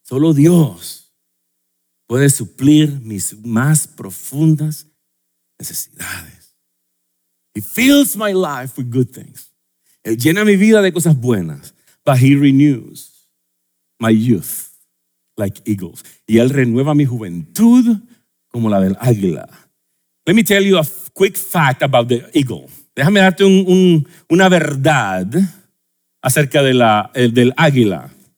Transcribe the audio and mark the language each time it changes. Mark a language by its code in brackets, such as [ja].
[es] Solo Dios puede suplir mis más profundas necesidades. [en] He fills my life with good things. [es] Él llena mi vida de cosas buenas. [en] But he renews my youth like eagles. [es] Y él renueva mi juventud como la del águila. [en] Let me tell you a quick fact about the eagle. [es] Déjame darte una verdad acerca de del águila.